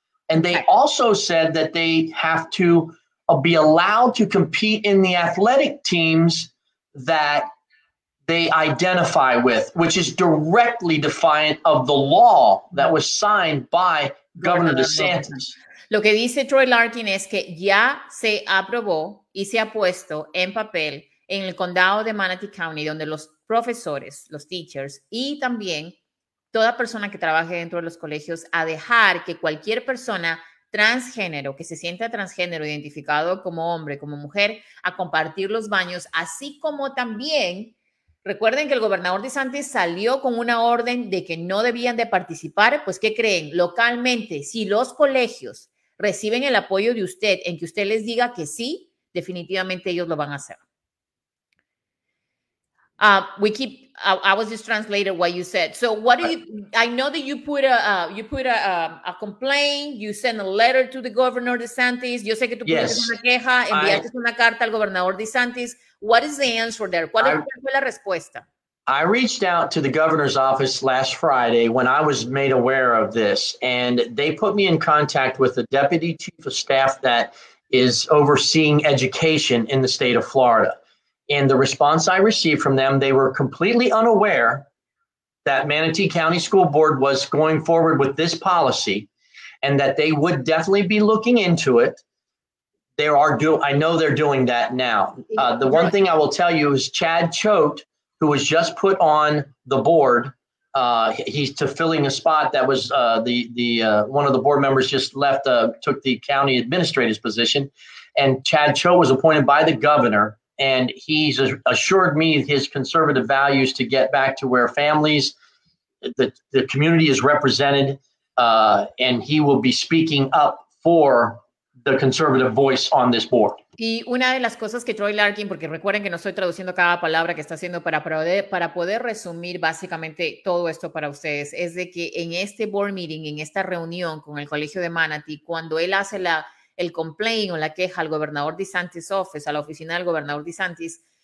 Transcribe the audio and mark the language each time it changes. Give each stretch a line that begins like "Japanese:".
English: And they also said that they have to be allowed to compete in the athletic teams that they identify with, which is directly defiant of the law that was signed by Governor DeSantis.
Spanish: Lo que dice Troy Larkin es que ya se aprobó y se ha puesto en papel en el condado de Manatee County, donde los profesores, los teachers y también toda persona que trabaje dentro de los colegios, a dejar que cualquier persona transgénero, que se sienta transgénero, identificado como hombre, como mujer, a compartir los baños, así como también. Recuerden que el gobernador DeSantis salió con una orden de que no debían de participar. Pues, ¿qué creen? Localmente, si los colegios reciben el apoyo de usted en que usted les diga que sí, definitivamente ellos lo van a hacer.
English: I was just translating what you said. So, I know that you put a complaint, you sent a letter to the governor DeSantis.
Spanish: Yo sé que tú pusiste una queja, enviaste una carta al gobernador DeSantis.
English: What is the answer there?
Spanish: ¿Cuál fue la respuesta?
English: I reached out to the governor's office last Friday when I was made aware of this, and they put me in contact with the deputy chief of staff that is overseeing education in the state of Florida. And the response I received from them, they were completely unaware that Manatee County School Board was going forward with this policy and that they would definitely be looking into it. I know they're doing that now. The one thing I will tell you is Chad Choate, who was just put on the board, he's to filling a spot that was one of the board members just left, took the county administrator's position. And Chad Choate was appointed by the governor, and he's assured me his conservative values to get back to where families, the community is represented, and he will be speaking up for the conservative voice on this board.
Spanish: Y una de las cosas que Troy Larkin, porque recuerden que no estoy traduciendo cada palabra que está haciendo para poder resumir básicamente todo esto para ustedes, es de que en este board meeting, en esta reunión con el Colegio de Manatee, cuando él hace el complaint o la queja al gobernador DeSantis office, a la oficina del gobernador DeSantis,